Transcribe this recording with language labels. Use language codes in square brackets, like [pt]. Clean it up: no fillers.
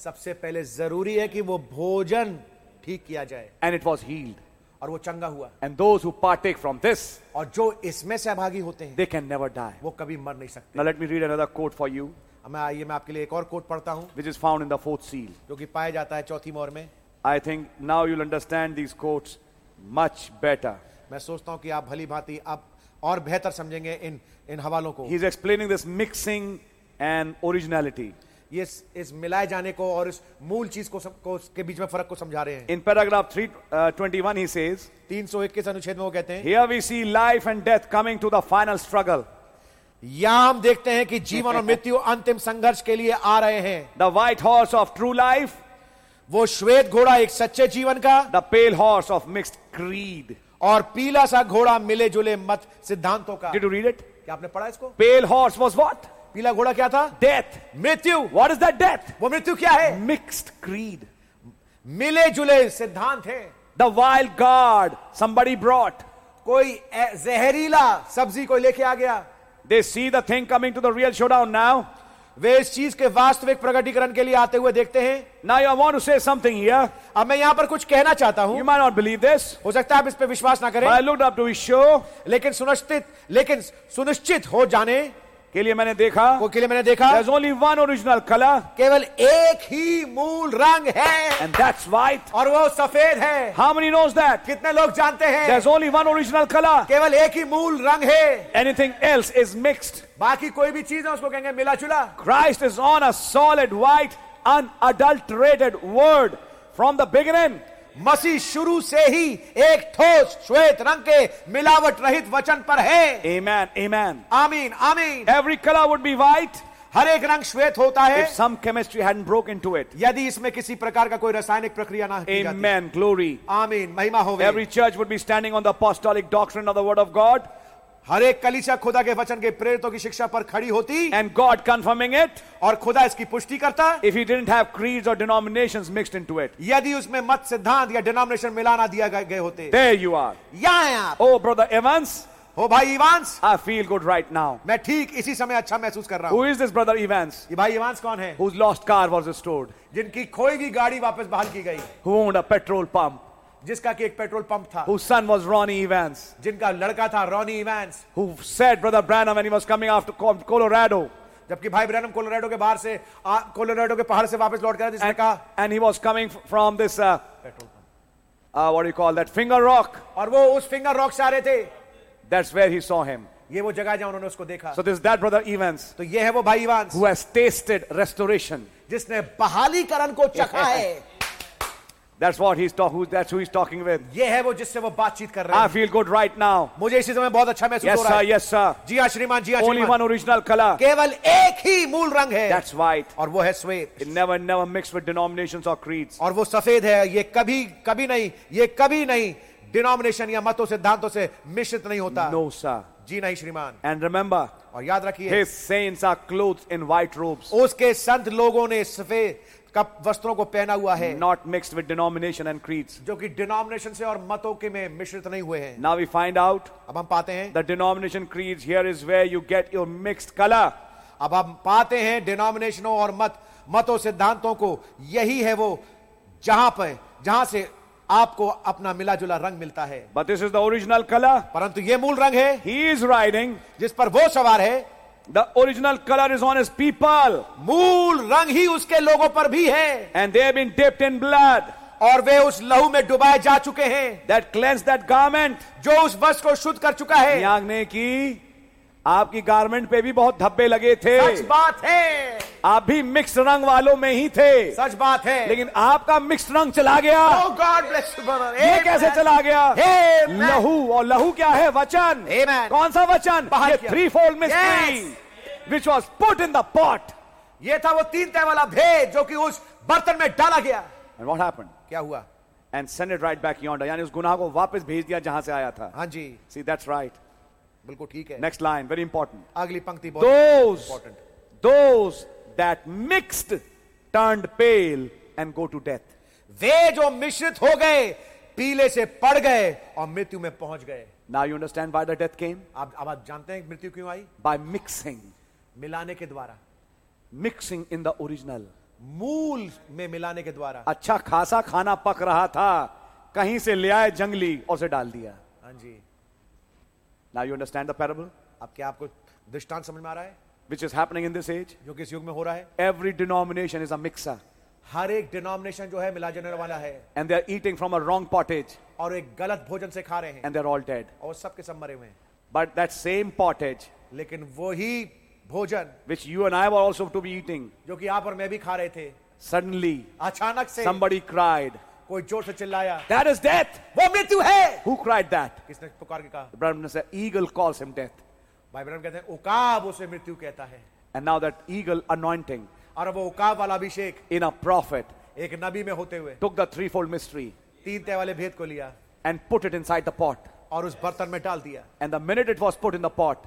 [hi] सबसे पहले जरूरी है कि वो भोजन ठीक किया जाए. [en] And it was healed. [hi] और वो चंगा हुआ. [en] and those who partake from this, [hi] और जो इसमें सहभागी होते हैं, [en] They can never die. [hi] वो कभी मर नहीं सकते. [en] Now let me read another quote for you. [hi] आइए मैं आपके लिए एक और कोट पढ़ता हूं, [en] which is found in the fourth seal, [hi] जो कि पाया जाता है चौथी मोहर में. [en] I think now you'll understand these quotes much better. [hi] मैं सोचता हूं कि आप भली भांति अब और बेहतर समझेंगे इन इन हवालों को. [en] He is explaining this mixing and originality. [hi] Yes, इस मिलाए जाने को और इस मूल चीज को के बीच में फर्क को समझा रहे हैं. [en] In paragraph 321 he says, [hi] 321 अनुच्छेद में वो कहते हैं, [en] Here we see life and death coming to the final struggle. [hi] यहां हम देखते हैं कि जीवन और मृत्यु अंतिम संघर्ष के लिए आ रहे हैं. [en] The white horse of true life, [hi] वो श्वेत घोड़ा एक सच्चे जीवन का. [en] the pale horse of mixed creed, [hi] और पीला सा घोड़ा मिले जुले मत सिद्धांतों का. [en] Did you read it? [hi] क्या आपने पढ़ा इसको? [en] Pale horse was what? [hi] पीला घोड़ा क्या था? [en] death, [hi] मृत्यु. [en] What is that death? [hi] वो मृत्यु क्या है? [en] mixed creed, [hi] मिले जुले सिद्धांत है. [en] the wild gourd somebody brought, [hi] कोई जहरीला सब्जी कोई लेके आ गया. [en] They see the thing coming to the real showdown now. [hi] वे इस चीज के वास्तविक प्रकटीकरण के लिए आते हुए देखते हैं. [en] Now you want to say something here. [hi] अब मैं यहां पर कुछ कहना चाहता हूं. [en] You might not believe this. [hi] हो सकता है आप इस पर विश्वास ना करें. [en] But I looked up to be sure. [hi] लेकिन सुनिश्चित हो जाने के लिए मैंने देखा. [en] There's only one original color. [hi] केवल एक ही मूल रंग है. [en] And that's white. [hi] और वो सफेद है. [en] How many knows that? [hi] कितने लोग जानते हैं? [en] There's only one original color. [hi] केवल एक ही मूल रंग है. [en] Anything else is mixed. [hi] बाकी कोई भी चीज है उसको कहेंगे मिला चुला. [en] Christ is on a solid white unadulterated word from the beginning. [hi] मसीह शुरू से ही एक ठोस श्वेत रंग के मिलावट रहित वचन पर है. [en] Amen, amen. [hi] आमीन, आमीन. [en] Every color would be white. [hi] हर एक रंग श्वेत होता है. [en] If some chemistry hadn't broken into it. [hi] यदि इसमें किसी प्रकार का कोई रासायनिक प्रक्रिया ना की जाती. [en] Amen, glory. [hi] आमीन, महिमा होवे. [en] Every church would be standing on the apostolic doctrine of the word of God. [hi] हर एक कलीसिया खुदा के वचन के प्रेरितों की शिक्षा पर खड़ी होती [en] and God confirming it [hi] और खुदा इसकी पुष्टि करता [en] if he didn't have creeds और denominations mixed into it [hi] यदि उसमें मत सिद्धांत या डिनोमिनेशन मिलाना दिया गए होते [en] there you are [hi] यहां आप [en] O brother Evans [hi] ओ भाई Evans [en] I feel good right now [hi] मैं ठीक इसी समय अच्छा महसूस कर रहा हूं [en] who is this brother Evans [hi] ये भाई इवांस कौन है [en] whose lost car was restored [hi] जिनकी खोई हुई गाड़ी वापस बहाल की गई [en] who owned a petrol pump [hi] जिसका कि एक पेट्रोल पंप था [en] whose son was Ronnie Evans [hi] जिनका लड़का था Ronnie Evans [en] who said brother Branham when he was coming after Colorado [hi] जबकि भाई ब्रैनम कोलोराडो के बाहर से कोलोराडो के पहाड़ से वापस लौट कर रहा था जिसने कहा [en] and he was coming from this petrol pump what do you call that finger rock [hi] और वो उस फिंगर रॉक से आ रहे थे [en] that's where he saw him [hi] ये वो जगह जहां उन्होंने उसको देखा [en] so this is that brother Evans [hi] तो ये है वो भाई Evans [en] who has tasted restoration [hi] जिसने बहालीकरण को चखा है [en] That's what he's talking. That's who he's talking with. [hi] ये है वो जिससे वो बातचीत कर रहे [en] I feel good right now. [hi] मुझे इसी समय बहुत अच्छा महसूस हो रहा है. [en] Yes sir. [hi] जी हाँ श्रीमान. जी हाँ [en] Only one original color. [hi] केवल एक ही मूल रंग है. [en] That's white. [hi] और वो है श्वेत. [en] It never mixed with denominations or creeds. [hi] और वो सफेद है. ये कभी नहीं denomination या मतों सिद्धांतों से मिश्रित नहीं होता. [en] No sir. [hi] जी नहीं श्रीमान. [en] And remember. [hi] और याद रखिए. [en] His saints are clothed in white robes. [hi] उसके संत लोगों ने सफेद कप वस्त्रों को पहना हुआ है [en] not mixed with denomination and creeds [hi] जो कि डिनोमिनेशन से और मतों के में मिश्रित नहीं हुए हैं [en] now we find out [hi] अब हम पाते हैं [en] the denomination creeds here is where you get your mixed colour [hi] अब हम पाते हैं डिनोमिनेशनों और मतों सिद्धांतों को यही है वो जहां पर जहां से आपको अपना मिला जुला रंग मिलता है [en] but this is the original colour [hi] परंतु ये मूल रंग है [en] he is riding [hi] जिस पर वो सवार है [en] The original color is on his people. [hi] मूल रंग ही उसके लोगों पर भी है. [en] And they have been dipped in blood. [hi] और वे उस लहू में डुबाए जा चुके हैं. [en] That cleanse that garment. [hi] जो उस वस्त्र को शुद्ध कर चुका है. याग्ने की आपकी गारमेंट पे भी बहुत धब्बे लगे थे. सच बात है. आप भी मिक्स्ड रंग वालों में ही थे. सच बात है. लेकिन आपका मिक्स्ड रंग चला गया. [en] Oh God bless you, brother. [hi] ये कैसे चला गया? [en] Amen. [hi] लहू और लहू क्या है? वचन. [en] Amen. [hi] कौन सा वचन? ये [en] Three fold mystery, which was put in the pot. [hi] ये था वो तीन तह वाला भेद जो कि उस बर्तन में डाला गया. [en] And what happened? [hi] क्या हुआ? [en] And send it right back yonder. [hi] यानी उस गुनाह को वापस भेज दिया जहां से आया था. हाँ जी. [en] See, that's right. [hi] बिल्कुल ठीक है. [en] Next line, very important. [hi] अगली पंक्ति बहुत [en] important. Those that mixed turned pale and go to death. [hi] वे जो मिश्रित हो गए, पीले से पड़ गए और मृत्यु में पहुंच गए. [en] Now you understand why the death came? [hi] आप जानते हैं मृत्यु क्यों आई? [en] By mixing. [hi] मिलाने के द्वारा. [en] Mixing in the original. [hi] मूल में मिलाने के द्वारा. अच्छा खासा खाना पक रहा था, कहीं से ले आए जंगली और उसे डाल दिया. हाँ जी. [en] Now you understand the parable? [hi] अब क्या आपको दृष्टांत समझ में आ रहा है? [en] Which is happening in this age? [hi] जो किस युग में हो रहा है? [en] Every denomination is a mixer. [hi] हर एक denomination जो है मिला जाने वाला है. [en] And they are eating from a wrong pottage. [hi] और एक गलत भोजन से खा रहे हैं. [en] And they are all dead. [hi] और सब के सब मरे हुए हैं. [en] But that same pottage. [hi] लेकिन वही भोजन. [en] Which you and I were also to be eating. [hi] जो कि आप और मैं भी खा रहे थे. [en] Suddenly. [hi] अचानक से. [en] Somebody cried. [hi] कोई जोर से चिल्लाया. [en] That is death. [hi] वो मृत्यु है. [en] Who cried that? [hi] किसने पुकार के कहा? [en] Abraham said, eagle calls him death. [hi] भाई ब्रह्म कहते हैं, उकाब उसे मृत्यु कहता है. [en] And now that eagle anointing. [hi] और वो उकाब वाला अभिषेक. [en] In a prophet. [hi] एक नबी में होते हुए. [en] Took the threefold mystery. [hi] तीन तह वाले भेद को लिया. [en] And put it inside the pot. [hi] और उस बर्तन में डाल दिया. [en] And the minute it was put in the pot.